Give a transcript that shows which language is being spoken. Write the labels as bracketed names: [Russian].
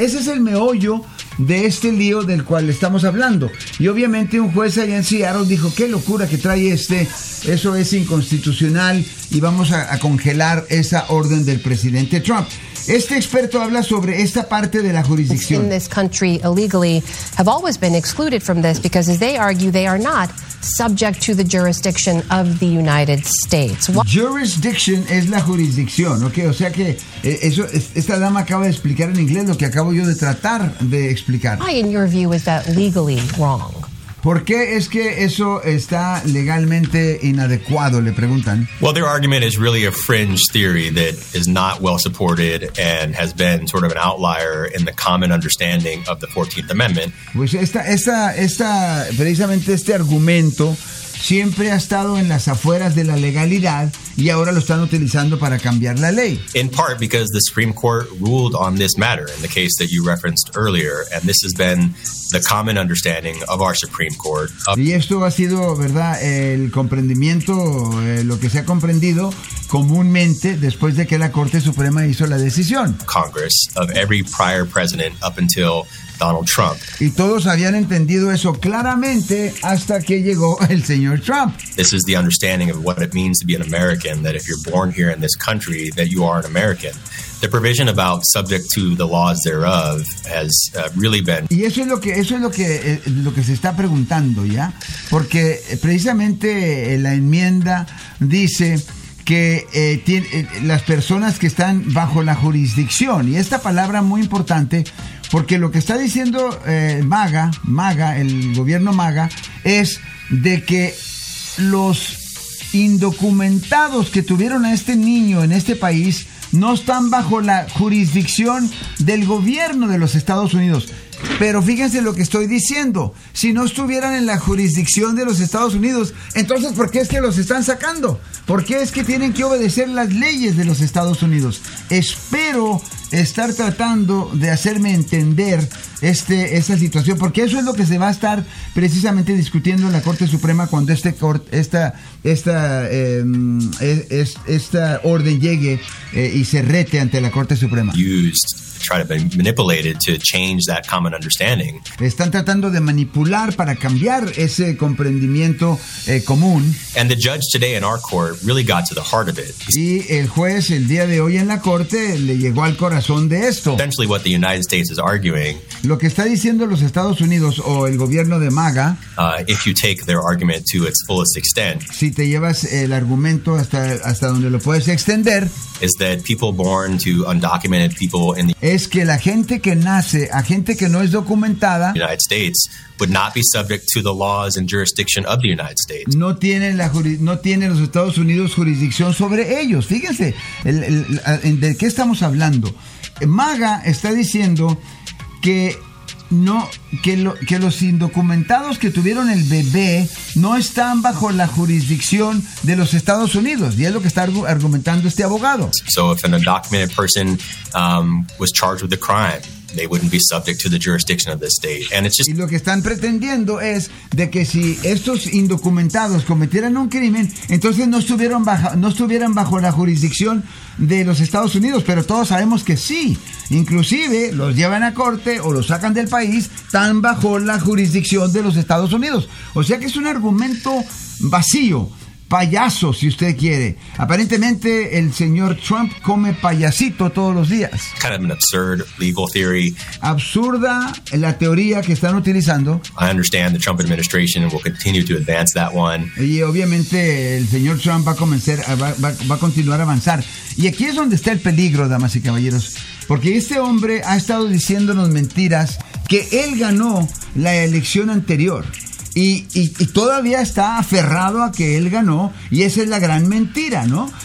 [Spanish] Ese es el meollo de este lío del cual estamos hablando. Y obviamente un juez allá en Seattle dijo, qué locura que trae este, eso es inconstitucional y vamos a congelar esa orden del presidente Trump. Este experto habla sobre esta parte de la jurisdicción. [English] In this country, illegally, have always been excluded from this because, as they argue, they are not subject to the jurisdiction of the United States. [Spanish] Jurisdiction es la jurisdicción, ¿ok? O sea que eso, esta dama acaba de explicar en inglés lo que acabo yo de tratar de explicar. [English] Why, in your view, is that legally wrong? [Spanish] ¿Por qué es que eso está legalmente inadecuado? Le preguntan. [English] Well, their argument is really a fringe theory that is not well supported and has been sort of an outlier in the common understanding of the 14th Amendment. [Spanish] Pues esta precisamente este argumento siempre ha estado en las afueras de la legalidad y ahora lo están utilizando para cambiar la ley. [English] In part because the Supreme Court ruled on this matter in the case that you referenced earlier, and this has been the common understanding of our Supreme Court. [Spanish] Y esto ha sido, ¿verdad?, el comprendimiento, lo que se ha comprendido comúnmente después de que la Corte Suprema hizo la decisión. [English] Congress of every prior president up until Donald Trump. [Spanish] Y todos habían entendido eso claramente hasta que llegó el señor Trump. [English] This is the understanding of what it means to be an American, that if you're born here in this country, that you are an American. The provision about subject to the laws thereof has really been. [Spanish] Y eso es lo que se está preguntando, ¿ya? Porque precisamente la enmienda dice que las personas que están bajo la jurisdicción, y esta palabra muy importante, porque lo que está diciendo MAGA, el gobierno MAGA, es de que los indocumentados que tuvieron a este niño en este país no están bajo la jurisdicción del gobierno de los Estados Unidos. Pero fíjense lo que estoy diciendo. Si no estuvieran en la jurisdicción de los Estados Unidos, entonces, ¿por qué es que los están sacando? ¿Por qué es que tienen que obedecer las leyes de los Estados Unidos? Espero estar tratando de hacerme entender esta situación, porque eso es lo que se va a estar precisamente discutiendo en la Corte Suprema cuando esta orden llegue y se rete ante la Corte Suprema. [English] Used try to be manipulated to change that common understanding. [Spanish] Están tratando de manipular para cambiar ese comprendimiento común. [English] And the judge today in our court really got to the heart of it. [Spanish] Y el juez el día de hoy en la corte le llegó al corazón de esto. [English] Essentially what the United States is arguing. [Spanish] Lo que está diciendo los Estados Unidos o el gobierno de MAGA. [English] If you take their argument to its fullest extent. [Spanish] Si te llevas el argumento hasta donde lo puedes extender. [English] Is that people born to undocumented people in the [Spanish] es que la gente que nace a gente que no es documentada [English] United States would not be subject to the laws and jurisdiction of the United States. [Spanish] No tiene la los Estados Unidos jurisdicción sobre ellos. Fíjense de qué estamos hablando. MAGA está diciendo que no que los indocumentados que tuvieron el bebé no están bajo la jurisdicción de los Estados Unidos, y es lo que está argumentando este abogado. [English] So if an undocumented person was charged with a crime, they wouldn't be subject to the jurisdiction of the state. And it's just [Spanish] y lo que están pretendiendo es de que si estos indocumentados cometieran un crimen, entonces no estuvieran bajo la jurisdicción de los Estados Unidos, pero todos sabemos que sí. Inclusive los llevan a corte o los sacan del país, están bajo la jurisdicción de los Estados Unidos. O sea que es un argumento vacío, payaso, si usted quiere. Aparentemente el señor Trump come payasito todos los días. [English] Kind of an absurd legal theory. [Spanish] Absurda la teoría que están utilizando. [English] I understand the Trump administration will continue to advance that one. [Spanish] Y obviamente el señor Trump va a continuar a avanzar. Y aquí es donde está el peligro, damas y caballeros, porque este hombre ha estado diciéndonos mentiras que él ganó la elección anterior. Y todavía está aferrado a que él ganó, y esa es la gran mentira, ¿no?